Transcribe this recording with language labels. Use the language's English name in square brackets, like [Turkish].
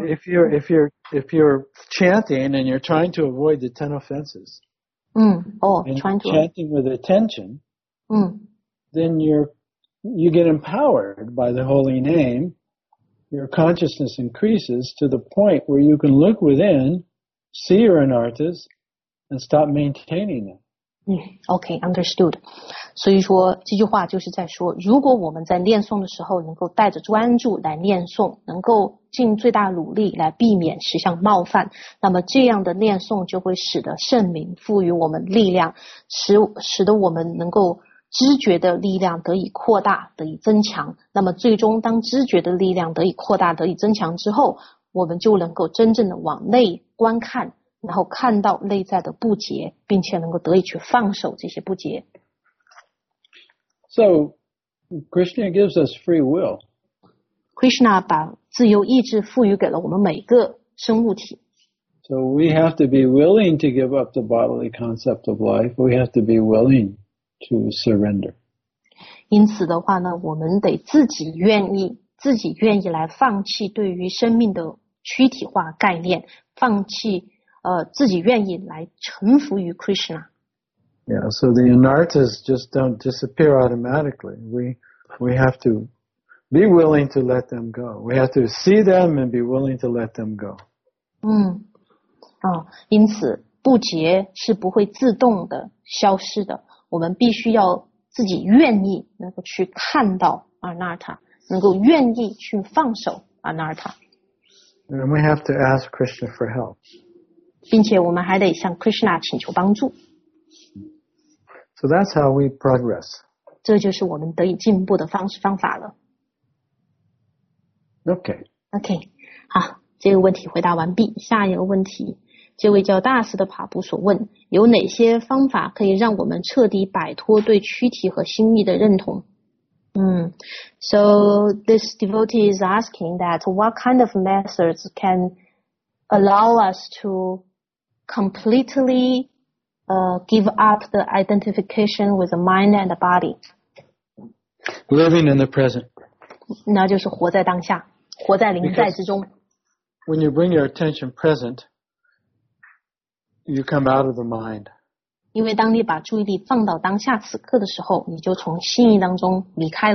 [English] No, if you're chanting and you're trying to avoid the ten offenses, chanting with attention, then you get empowered by the holy name,Your consciousness increases to the point where you can look within, see your anarthas, and stop maintaining them. Okay, understood. [Chinese] 所以说这句话就是在说，如果我们在念诵的时候能够带着专注来念诵，能够尽最大努力来避免实相冒犯，那么这样的念诵就会使得圣名赋予我们力量，使得我们能够。知觉的力量得以扩大，得以增强。那么最终，当知觉的力量得以扩大，得以增强之后，我们就能够真正的往内观看，然后看到内在的不洁，并且能够得以去放手这些不洁。 [English] So, Krishna gives us free will. [Chinese] Krishna 把自由意志赋予给了我们每个生物体。 [English] So we have to be willing to give up the bodily concept of life. We have to be willing. To surrender. [Chinese] 因此的话呢，我们得自己愿意来放弃对于生命的躯体化概念，放弃自己愿意来臣服于 Krishna. [English] Yeah, so the anarthas just don't disappear automatically. We have to be willing to let them go. We have to see them and be willing to let them go. [Chinese] 因此不洁是不会自动的消失的。我们必须要自己愿意能够去看到 Anartha, 能够愿意去放手 Anartha. [English] And we have to ask Krishna for help. [Chinese] 并且我们还得向 Krishna 请求帮助。 [English] So that's how we progress. [Chinese] 这就是我们得以进步的方式方法了。 [English] Okay. [Chinese] Okay. 好，这个问题回答完毕。下一个问题，这位叫大师的帕布所问，有哪些方法可以让我们彻底摆脱对躯体和心意的认同？ [English] So this devotee is asking that what kind of methods can allow us to completely give up the identification with the mind and the body? Living in the present. [Chinese] 那就是活在当下，活在临在之中。 [English] Because when you bring your attention present, you come out of the mind. [Chinese] 因为当你把注意力放到当下此刻的时候，你就从心意当中离开